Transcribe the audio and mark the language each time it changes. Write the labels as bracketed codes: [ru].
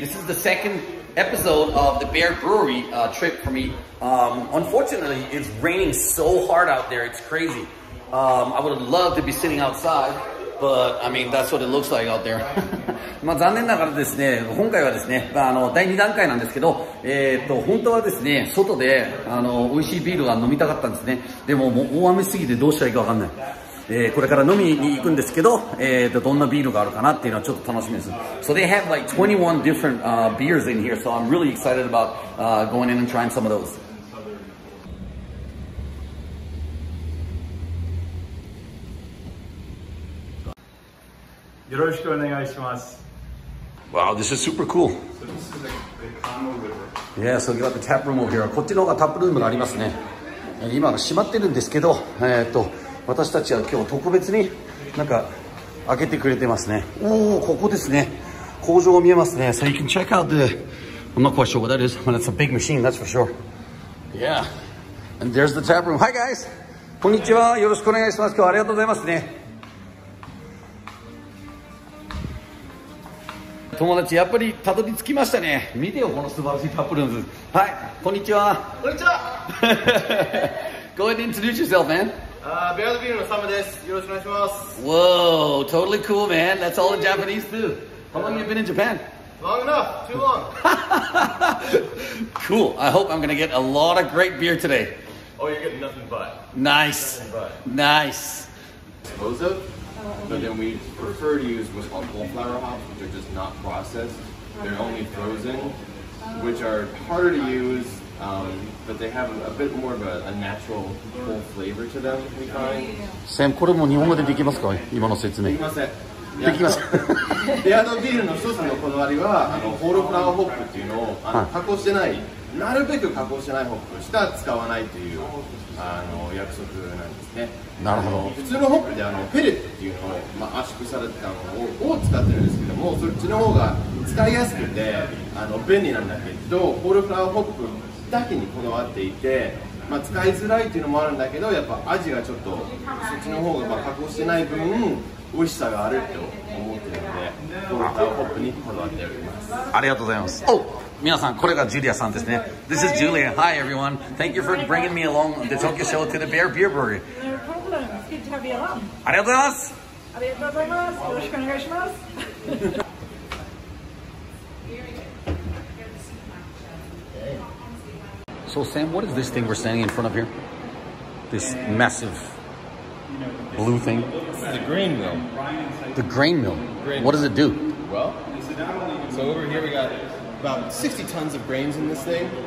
[en] This is the second episode of the Bear Brewery trip for me. Unfortunately, it's raining so hard out there. It's crazy. I would love to be sitting outside, but I mean, that's what it looks like out there. [ja] まあ残念ながらですね、今回はですね、まあ、第2段階なんですけど、本当はですね、外で美味しいビールが飲みたかったんですね。でももう大雨すぎてどうしたらいいかわかんない。これから飲みに行くんですけど、どんなビールがあるかなっていうのはちょっと楽しみです。 [en] So they have like 21 different beers in here, so I'm really excited about going in and trying some of those. [ja] よろしくお願いします。 [en] Wow, this is super cool. So this is the Kano River. Yeah, so you got the tap room over here. [ja] こっちの方がタップルームがありますね。今は閉まってるんですけど、私たちは今日特別になんか開けてくれてますね。おお、ここですね。工場が見えますね。 [en] So you can check out the... I'm not quite sure what that is, but it's a big machine, that's for sure. Yeah. And there's the tap room. Hi, guys! [ja] こんにちは。よろしくお願いします。今日はありがとうございますね。友達やっぱりたどり着きましたね。見てよこの素晴らしいタップルームズ。はい、こんにちは。こんにちは。 [en] Go ahead and introduce yourself, man. [ja] ベアドビールのサムです。よろしくお願いします。 [en] Whoa, totally cool, man. That's all the Japanese do. How long have you been in Japan? Long enough. Too long. Cool. I hope I'm gonna get a lot of great beer today. Oh, you're getting nothing but. Nice. Suppose it. But then we prefer to use what's called cauliflower hops, which are just not processed. They're only frozen, which are harder to use, but they have a bit more of a natural cool flavor to them, we find. [ja] Sam, これも日本語でできますか今の説明。できません。できます。ベアドビールの一つのこだわりは、ホールフラワーホップっていうのを加工してない、なるべく加工してないホップしか使わないという約束なんですね。なるほど。普通のホップでペレットっていうのを、まあ、圧縮されてたものを使ってるんですけども、そっちの方が使いやすくて便利なんだけど、ホールフラワーホップだけにこだわっていて、まあ、使いづらいっていうのもあるんだけど、やっぱ味がちょっとそっちの方が、まあ、加工してない分美味しさがあると思ってるので、ホールフラワーホップにこだわっております。ありがとうございます。おう、皆さん、これがジュリアさんですね。 [en] This is Julia. Hi, everyone. Thank you for bringing me along the Tokyo Show to the Bear Beer Brewery. No problem. It's good to have you along. [ja] ありがとうございます。ありがとうございます。よろしくお願いします。 [en] So, Sam, what is this thing we're standing in front of here? This massive blue thing? This is a grain mill. The grain mill? What does it do? Well, so over here we got... About 60 tons of grains in this thing.